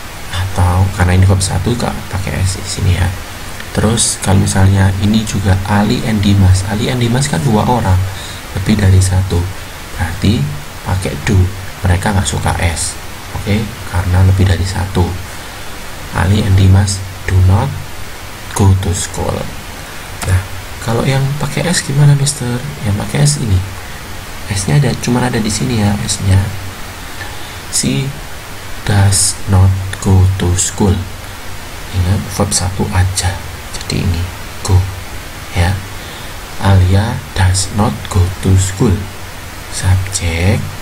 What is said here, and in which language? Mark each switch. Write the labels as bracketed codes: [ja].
[id] Atau karena ini bab satu kak pakai S di sini ya. Terus kalau misalnya ini juga Ali and Dimas. Ali and Dimas kan dua orang, lebih dari satu. Berarti pakai do. Mereka nggak suka S. Oke, karena lebih dari satu. [en] Ali and Dimas do not go to school. [id] Nah, kalau yang pakai S gimana, Mister? Yang pakai S ini. S-nya ada, cuma ada di sini ya, S-nya. [en] She does not go to school. [id] Ingat, verb satu aja. Jadi ini, go. Ya. [en] Alia does not go to school. Subjek.